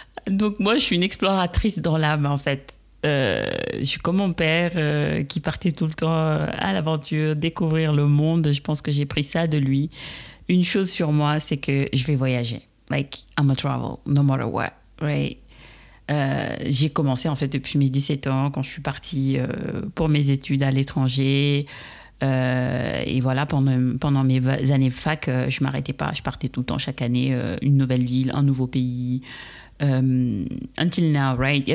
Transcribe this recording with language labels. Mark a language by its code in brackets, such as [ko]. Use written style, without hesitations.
[fr] Donc moi, je suis une exploratrice dans l'âme, en fait. Je suis comme mon père qui partait tout le temps à l'aventure, découvrir le monde. Je pense que j'ai pris ça de lui. Une chose sur moi, c'est que je vais voyager. [en] Like, I'm a travel, no matter what, right? [fr] J'ai commencé en fait depuis mes 17 ans quand je suis partie pour mes études à l'étranger et voilà, pendant mes années fac, je m'arrêtais pas, je partais tout le temps chaque année, une nouvelle ville, un nouveau pays, [en] until now, right?